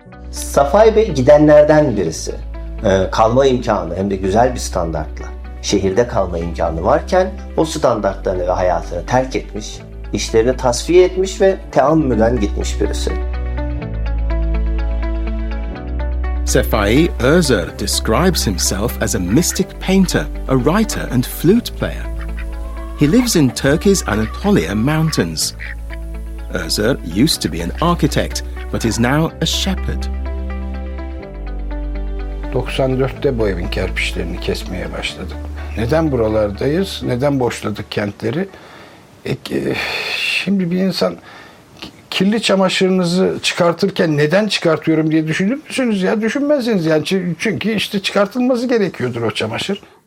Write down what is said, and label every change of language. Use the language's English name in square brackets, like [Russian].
[Turkish] Safay Bey gidenlerden birisi. Kalma imkanı hem de güzel bir standartla. Şehirde kalma imkanı varken o standartlarını ve hayatını terk etmiş, işlerini tasfiye etmiş ve teammüden gitmiş birisi. [English] Safai Özer describes himself as a mystic painter, a writer and flute player. He lives in Turkey's Anatolia Mountains. Özer used to be an architect but is now a shepherd. [Turkish] 94'te bu evin kerpiçlerini kesmeye başladık. Neden buralardayız? Neden boşladık kentleri? Şimdi bir insan kirli çamaşırınızı çıkartırken neden çıkartıyorum diye düşünür müsünüz? Ya düşünmezsiniz yani, çünkü işte çıkartılması gerekiyordur o çamaşır.